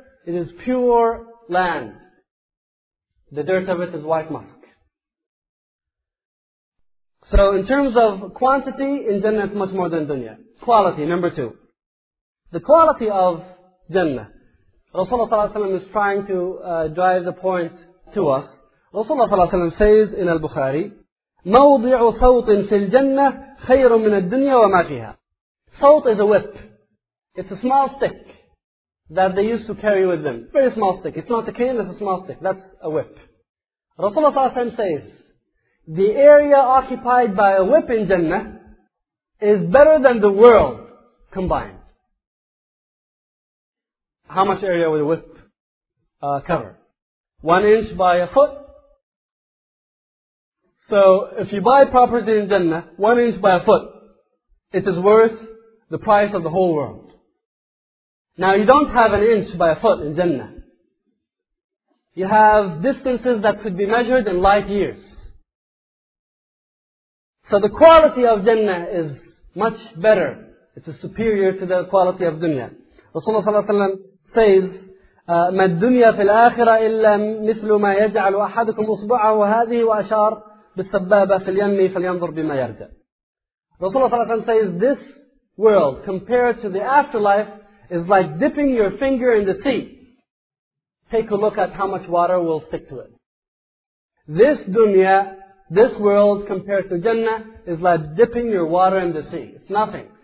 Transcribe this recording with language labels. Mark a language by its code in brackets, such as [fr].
[en] It is pure land. The dirt of it is white musk. So in terms of quantity, in Jannah it's much more than dunya. Quality, number two. The quality of Jannah. Rasulullah ﷺ is trying to drive the point to us. Rasulullah ﷺ says in Al-Bukhari, [ar] مَوْضِعُ صَوْطٍ فِي الْجَنَّةِ خَيْرٌ مِنَ الدُّنْيَا وَمَا فِيهَا. [en] Sawt is a whip. It's a small stick that they used to carry with them. Very small stick. It's not a cane, it's a small stick. That's a whip. Rasulullah ﷺ says, the area occupied by a whip in Jannah is better than the world combined. How much area would a whip cover? 1 inch by a foot. So if you buy property in Jannah, 1 inch by a foot, it is worth the price of the whole world. Now you don't have an inch by a foot in Jannah. You have distances that could be measured in light years. So the quality of Jannah is much better. It's superior to the quality of dunya. Rasulullah ﷺ says, [ar] "ما الدنيا في الآخرة إلا مثل ما يجعل أحدكم أصبعه وهذه وأشار بالسبابة في اليمن فلينظر بما يرجع." [en] Rasulullah ﷺ says, "This world compared to the afterlife is like dipping your finger in the sea. Take a look at how much water will stick to it. This dunya." This world compared to Jannah is like dipping your water in the sea. It's nothing.